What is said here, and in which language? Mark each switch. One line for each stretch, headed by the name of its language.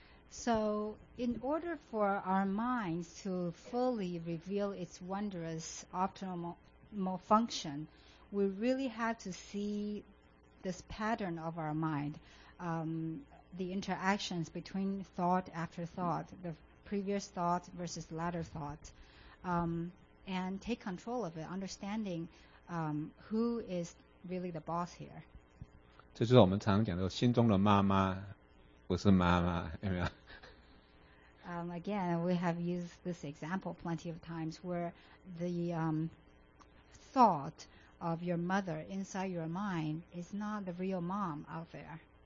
English: ？So in order for our minds to fully reveal its wondrous optimal function, we really have to see this pattern of our mind, the interactions between thought after thought, the previous thought versus latter thought, and take control of it, understanding who is really the boss here.
Chinese: 这就是我们常常讲的心中的妈妈不是妈妈，有没有？
English: Again, we have used this example plenty of times where the thought of your mother inside your mind is not the real mom out there.